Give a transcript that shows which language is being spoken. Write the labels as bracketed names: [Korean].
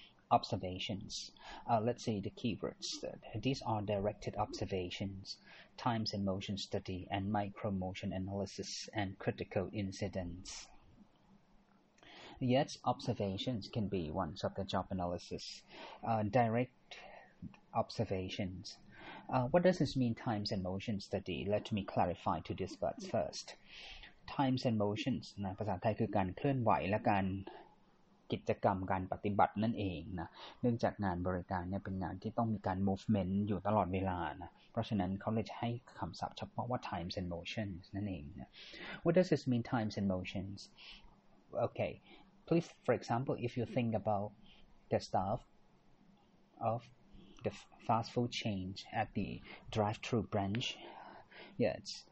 [English] Observations. Let's see the keywords. These are directed observations, times and motion study, and micro motion analysis, and critical incidents. Yet, observations can be ones of the job analysis. Direct observations. What does this mean, times and motion study? Let me clarify to these words first. Times and motions, [Thai] นะภาษาไทยคือการเคลื่อนไหวและการกิจกรรมการปฏิบัตินั่นเองนะเนื่องจากงานบริการเนี่ยเป็นงานที่ต้องมีการ movement อยู่ตลอดเวลานะเพราะฉะนั้นเขาเลยให้คำศัพท์เฉพาะว่า times and motions นั่นเองนะ [English] What does this mean, times and motions? Okay, please, for example, if you think about the staff of the fast food chain at the drive-through branch, yes,